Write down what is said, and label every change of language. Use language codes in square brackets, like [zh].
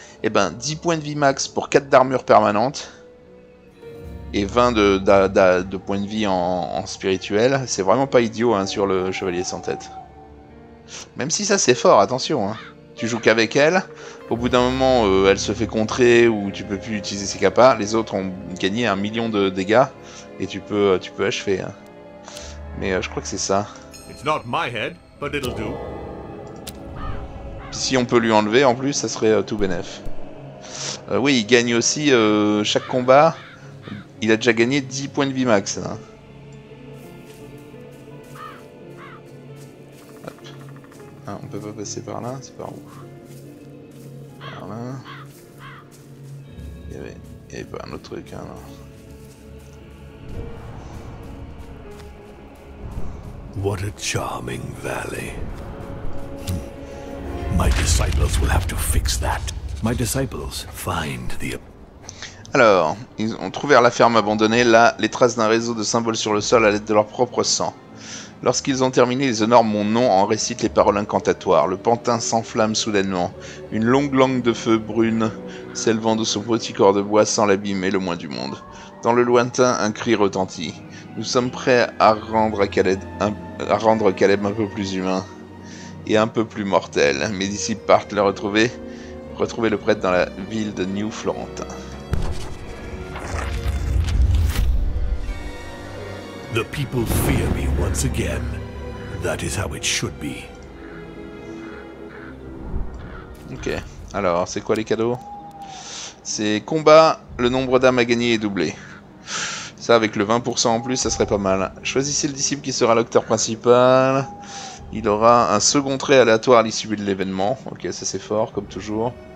[fr] Eh ben, 10 points de vie max pour 4 d'armure permanente... Et 20 de points de vie en spirituel, c'est vraiment pas idiot, hein, sur le chevalier sans tête. Même si ça c'est fort, attention, hein. Tu joues qu'avec elle, au bout d'un moment elle se fait contrer ou tu peux plus utiliser ses capas, les autres ont gagné 1 million de dégâts et tu peux achever. Hein. Mais je crois que c'est ça. [en] It's not my head, but it'll do. [fr] Si on peut lui enlever en plus, ça serait tout bénef. Oui, il gagne aussi chaque combat. Il a déjà gagné 10 points de vie max. Hein. Hop. Ah, on peut pas passer par là, c'est par où? Par là. Il y avait pas un autre truc. Hein, là. [en] What a charming valley. My disciples will have to fix that. My disciples find the. [fr] Alors, ils ont trouvé la ferme abandonnée, là, les traces d'un réseau de symboles sur le sol à l'aide de leur propre sang. Lorsqu'ils ont terminé, ils honorent mon nom en récitent les paroles incantatoires. Le pantin s'enflamme soudainement. Une longue langue de feu brune s'élevant de son petit corps de bois sans l'abîmer le moins du monde. Dans le lointain, un cri retentit. Nous sommes prêts à rendre Caleb un peu plus humain et un peu plus mortel. Mes disciples partent le retrouver. Retrouver le prêtre dans la ville de New Florentin. [en] The people fear me once again. That is how it should be. [fr] Ok, alors c'est quoi les cadeaux? C'est combat, le nombre d'âmes à gagner est doublé. Ça, avec le 20% en plus, ça serait pas mal. Choisissez le disciple qui sera l'acteur principal. Il aura un second trait aléatoire à l'issue de l'événement. Ok, ça c'est fort, comme toujours.